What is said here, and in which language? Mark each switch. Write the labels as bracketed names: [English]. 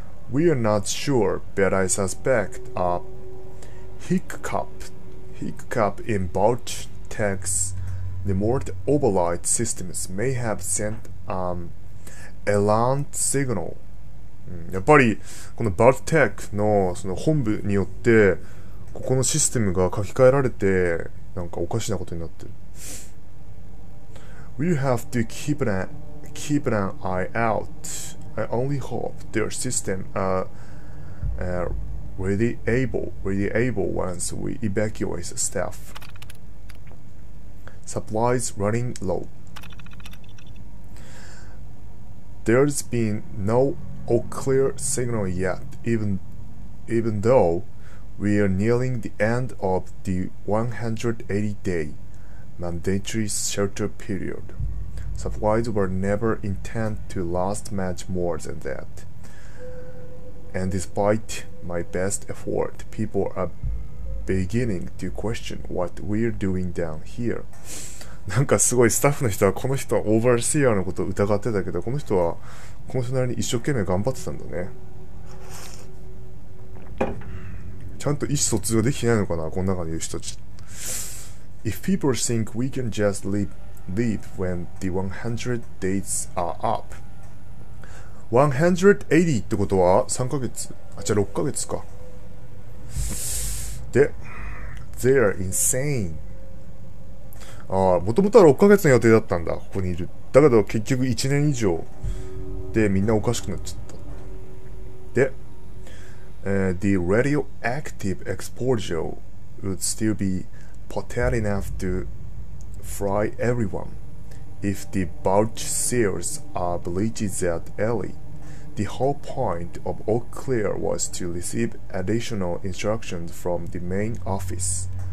[English] We are not sure, but I suspect a hiccup in Baltec's remote overlight systems may have sent Alarm signal. [Japanese] やっぱりこのバルテックのその本部によってここのシステムが書き換えられてなんかおかしなことになってる。 [English] We have to keep an eye out. I only hope their system are readily able once we evacuate the staff. Supplies running low. There's been no clear signal yet, even though we are nearing the end of the 180-day mandatory shelter period. Supplies were never intended to last much more than that. And despite my best effort, people are beginning to question what we're doing down here. [Japanese] なんかすごいスタッフの人はこの人はオーバーシーアーのことを疑ってたけど、この人はこの人なりに一生懸命頑張ってたんだね。ちゃんと意思疎通ができないのかな、この中にいる人たち。 [English] If people think we can just leave when the 100 days are up. [Japanese] 180ってことは3ヶ月、あ、じゃあ6ヶ月か。 [English] で、They are insane。 [Japanese] ああ、もともとは6ヶ月の予定だったんだ、ここにいる。だけど結局1年以上でみんなおかしくなっちゃった。 [English] で、The radioactive exposure would still be potent enough to fry everyone if the bulge seals are bleached that early. The whole point of all clear was to receive additional instructions from the main office.